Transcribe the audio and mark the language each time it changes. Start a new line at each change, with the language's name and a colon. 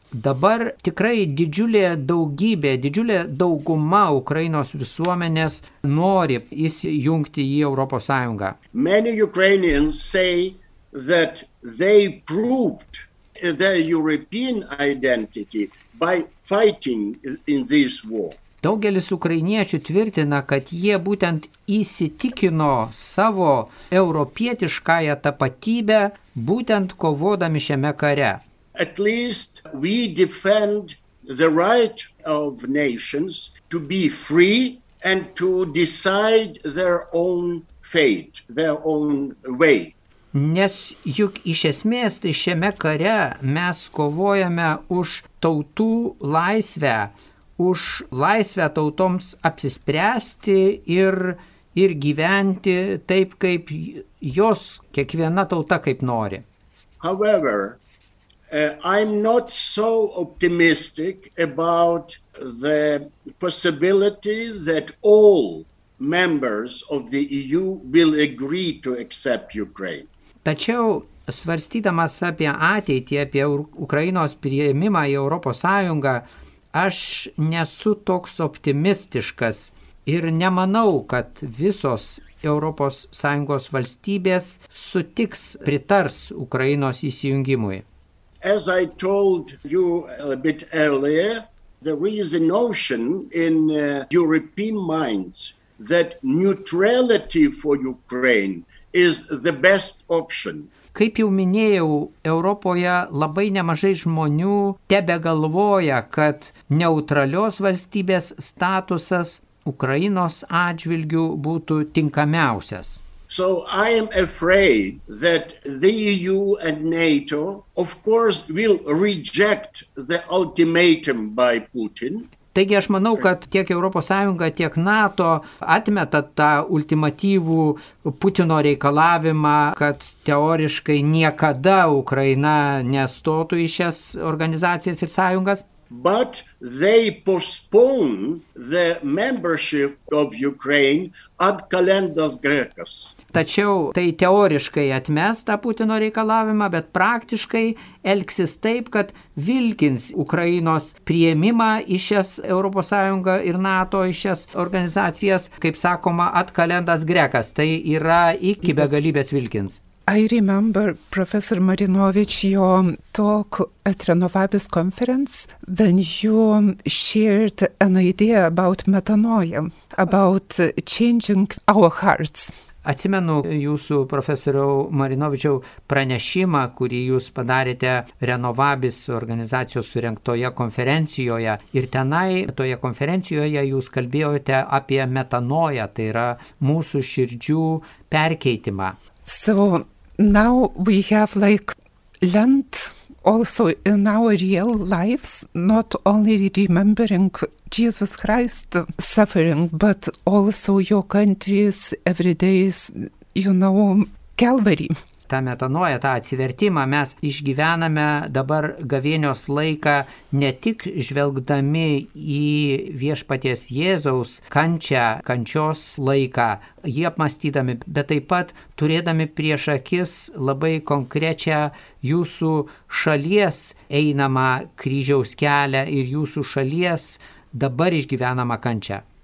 Lithuanian: Dabar tikrai didžiulė dauguma Ukrainos visuomenės nori įsijungti į Europos Sąjungą.
English: Many Ukrainians say that they proved their European identity by fighting in this war.
Lithuanian: Daugelis ukrainiečių tvirtina, kad jie būtent įsitikino savo europietiškąją tapatybę būtent kovodami šiame kare.
English: At least we defend the right of nations to be free and to decide their own fate, their own way.
Lithuanian: Nes juk iš esmės tai šiame kare mes kovojame už tautų laisvę, už laisvę tautoms apsispręsti ir gyventi taip, kaip jos kiekviena tauta kaip nori.
English: However, I'm not so optimistic about the possibility that all members of the EU will agree to accept Ukraine.
Lithuanian: Tačiau svarstydamas apie ateitį, apie Ukrainos priėmimą į Europos Sąjungą, aš nesu toks optimistiškas ir nemanau, kad visos Europos Sąjungos valstybės sutiks pritars Ukrainos įsijungimui.
English: As I told you a bit earlier, there is a notion in European minds that neutrality for Ukraine is the best option.
Lithuanian: Kaip jau minėjau, Europoje labai nemažai žmonių tebegalvoja, kad neutralios valstybės statusas Ukrainos atžvilgiu būtų tinkamiausias.
English: So I am afraid that the EU and NATO of course will reject the ultimatum by Putin.
Lithuanian: Taigi aš manau, kad tiek Europos Sąjunga, tiek NATO atmeta tą ultimatyvų Putino reikalavimą, kad teoriškai niekada Ukraina nestotų į šias organizacijas ir sąjungas.
English: But they postpone the membership of Ukraine ad kalendas grekas.
Lithuanian: Tačiau tai teoriškai atmesta Putino reikalavimą, bet praktiškai elgsis taip, kad vilkins Ukrainos priėmimą į šias Europos Sąjungą ir NATO į šias organizacijas, kaip sakoma, ad kalendas grekas. Tai yra iki begalybės vilkins.
English: I remember Professor Marinovich, your talk at Renovabis conference, when you shared an idea about metanoia, about changing our hearts.
Lithuanian: Atsimenu jūsų profesoriau Marinovičiau pranešimą, kurį jūs padarėte Renovabis organizacijos surengtoje konferencijoje. Ir tenai toje konferencijoje jūs kalbėjote apie metanoją, tai yra mūsų širdžių perkeitimą.
English: So now we have like Lent also in our real lives, not only remembering Jesus Christ suffering, but also your country's every day's, you know, Calvary.
Lithuanian: tą metanoją, tą atsivertimą, mes išgyvename dabar gavėnios laiką ne tik žvelgdami į viešpaties Jėzaus kančią, kančios laiką, jį apmastydami, bet taip pat turėdami prieš akis labai konkrečią jūsų šalies einamą kryžiaus kelią ir jūsų šalies dabar išgyvenamą kančią.